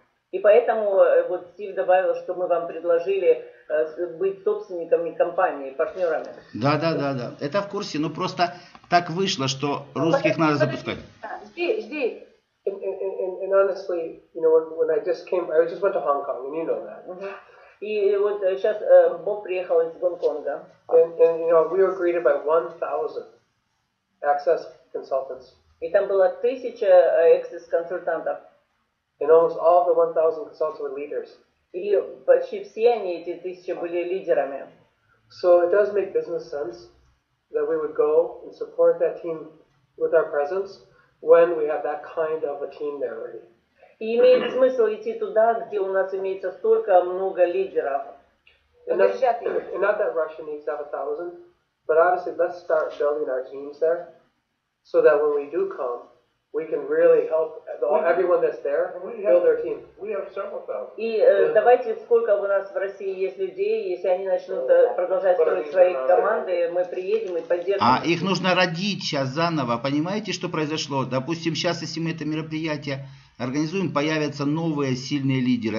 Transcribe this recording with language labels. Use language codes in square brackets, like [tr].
[ru] И поэтому вот Стив добавил, что мы вам предложили быть собственниками компании, партнерами. Да. Это в курсе, но просто так вышло, что русских надо запускать. Жди. [en] And honestly, you know, when I just went to Hong Kong, and you know that. [ru] И вот сейчас Боб приехал из Гонконга. [en] And you know, we were greeted by 1,000 access consultants. [ru] И там было 1,000 access консультантов. [en] And almost all the 1,000 consultants were leaders. [ru] И почти все они, эти 1,000, были лидерами. [en] So it does make business sense that we would go and support that team with our presence when we have that kind of a team there already. [ru] И имеет смысл идти туда, где у нас имеется столько много лидеров. [en] And not that Russia needs to have 1,000, but obviously let's start building our teams there. so that when we do come, we can really help everyone that's there build their team. We have several thousand. [ru] И давайте сколько у нас в России есть людей, если они начнут продолжать строить свои команды, мы приедем и поддержим. А их нужно родить сейчас заново. Понимаете, что произошло? Допустим, сейчас, если мы это мероприятие организуем, появятся новые сильные лидеры.